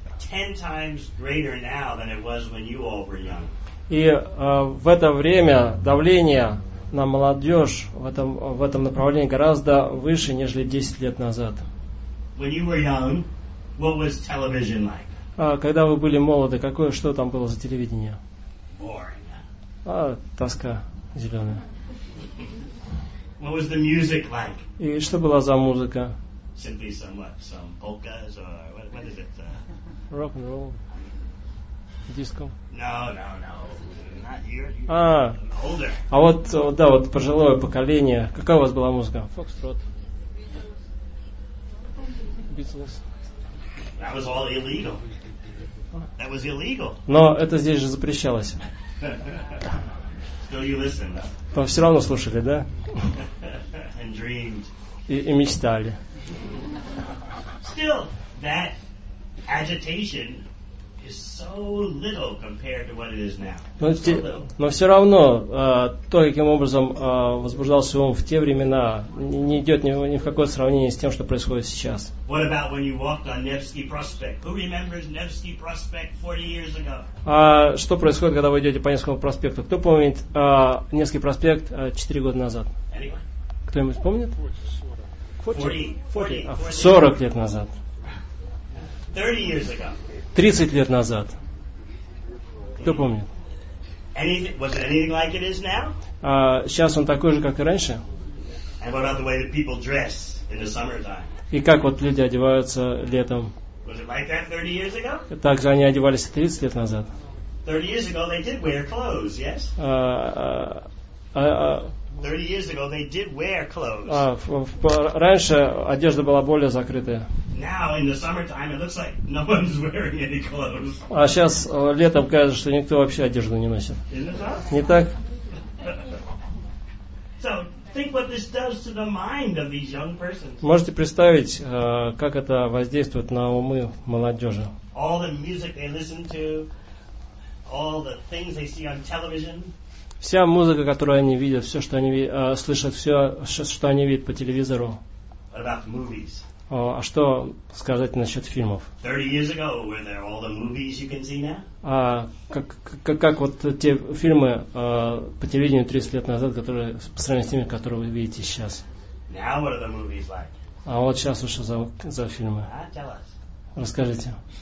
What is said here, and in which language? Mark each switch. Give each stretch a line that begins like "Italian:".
English: Ten times greater now than it was when you all were young.
Russian: И в это время давление на молодежь в этом направлении гораздо выше, нежели 10 лет назад.
English: When you were young, what was television like?
Russian: Когда вы были молоды, что там было за телевидение?
English: Boring.
Russian: Тоска зеленая.
English: What was the music like?
Russian: И что была за музыка?
English: Simply some polkas or what is it? Rock and roll, disco. No. Not you're older.
Russian: А вот да, вот пожилое поколение. Какая у вас была музыка?
English: Foxtrot. Beatles. That was all illegal. That was illegal.
Russian: Но это здесь же запрещалось.
English: Still you listen, though.
Russian: Вы все равно слушали, да?
English: And dreamed.
Russian: И мечтали.
English: Still that. Agitation is so little compared to what it is now.
Russian: Но все равно то, каким образом возбуждался ум в те времена, не идет ни в какое сравнение с тем, что происходит сейчас.
English: What about when you walked on Nevsky Prospect? Who remembers Nevsky Prospect 40 years ago?
Russian: Что происходит, когда вы идете по Невскому проспекту? Кто помнит Невский проспект 4 года назад?
English: Anyone?
Russian: Кто-нибудь помнит? 40 лет назад.
English: 30 years ago.
Russian: 30 лет назад. Кто помнит?
English: Was it anything like it is now?
Russian: Сейчас он такой же, как и раньше.
English: And what about the way that people dress in the summertime?
Russian: И как вот люди одеваются летом?
English: Was it like that 30 years ago?
Russian: Так же они одевались 30 лет назад.
English: 30 years ago they did wear clothes, yes? 30 years ago they did wear clothes.
Russian: Раньше одежда была более закрытая.
English: Now in the summertime it looks like no one's wearing any clothes.
Russian: А сейчас летом кажется, что никто вообще одежду не носит. Не так?
English: So think what this does to the mind of these young persons.
Russian: Можете представить, как это воздействует на умы молодежи?
English: All the music they listen to, all the things they see on television.
Russian: Вся музыка, которую они видят, все, что они слышат, все, что они видят по телевизору.
English: What about the movies?
Russian: А что сказать насчет фильмов?
English: 30 years ago, were there all the movies you can see now?
Russian: Как вот те фильмы по телевидению 30 лет назад, которые по сравнению с теми, которые вы видите сейчас?
English: Now what are the movies like?
Russian: А вот сейчас уж за фильмы.
English: Tell us.
Russian: Расскажите.